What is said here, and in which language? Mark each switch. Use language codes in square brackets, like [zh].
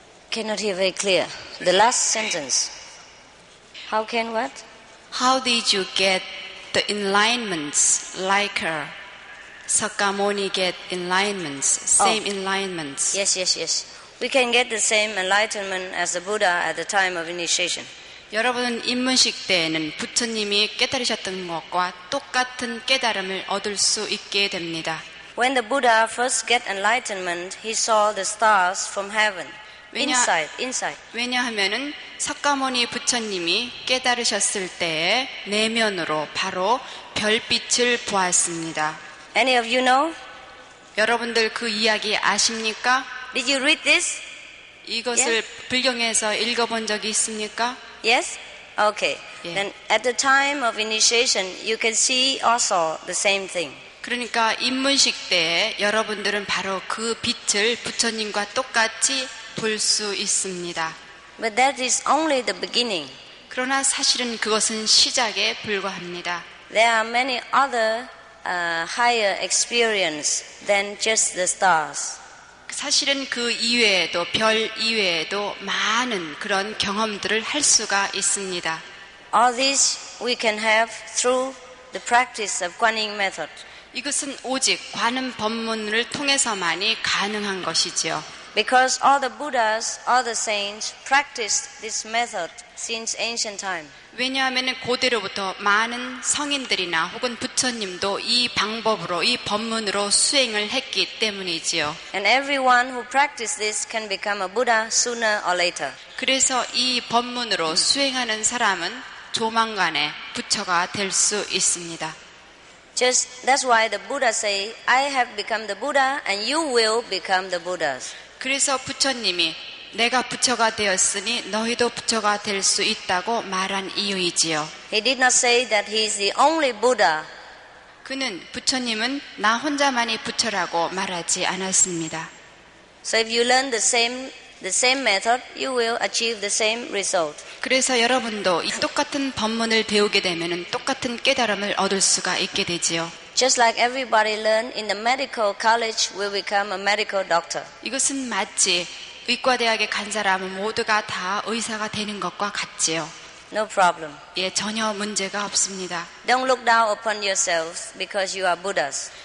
[en] Cannot hear very clear. The last sentence. How can what? How did you get the enlightenments like her? Sakamoni get enlightenments, same enlightenments. Yes, yes, yes. We can get the same enlightenment as the Buddha at the time of initiation. [ko] 여러분 입문식 때에는 부처님이 깨달으셨던 것과 똑같은 깨달음을 얻을 수 있게 됩니다. [en] When the Buddha first get enlightenment, he saw the stars from heaven. Inside. [ko] 왜냐하면은 석가모니 부처님이 깨달으셨을 때에 내면으로 바로 별빛을 보았습니다. [en] Any of you know? [ko] 여러분들 그 이야기 아십니까? [en] Did you read this? [ko] 이것을 yes? 불경에서 읽어본 적이 있습니까? [en] Yes. Okay. Yeah. Then at the time of initiation, you can see also the same thing. [ko] 그러니까 입문식 때에 여러분들은 바로 그 빛을 부처님과 똑같이 볼 수 있습니다. [en] But that is only the beginning. [ko] 그러나 사실은 그것은 시작에 불과합니다. [en] There are many other higher experience than just the stars. [ko] 사실은 그 이외에도 별 이외에도 많은 그런 경험들을 할 수가 있습니다. [en] All this we can have through the practice of Guanyin method. [ko] 이것은 오직 관음 법문을 통해서만이 가능한 것이지요. [en] Because all the Buddhas, all the saints practiced this method since ancient time. [ko] 왜냐하면 고대로부터 많은 성인들이나 혹은 부처님도 이 방법으로 이 법문으로 수행을 했기 때문이지요. [en] And everyone who practices this can become a Buddha sooner or later. [ko] 그래서 이 법문으로 수행하는 사람은 조만간에 부처가 될 수 있습니다. [en] Just that's why the Buddha say, I have become the Buddha and you will become the Buddhas. [ko] 그래서 부처님이 내가 부처가 되었으니 너희도 부처가 될 수 있다고 말한 이유이지요. [en] He did not say that he is the only Buddha. [ko] 그는 부처님은 나 혼자만이 부처라고 말하지 않았습니다. [en] So if you learn the same method, you will achieve the same result. [ko] 그래서 여러분도 이 똑같은 법문을 배우게 되면은 똑같은 깨달음을 얻을 수가 있게 되지요. [en] Just like everybody learn in the medical college will become a medical doctor. [ko] 이것은 마치 의과대학에 간 사람은 모두가 다 의사가 되는 것과 같지요. [en] No problem. [ko] 예, 전혀 문제가 없습니다. [en] Don't look down upon yourselves because you are Buddhas.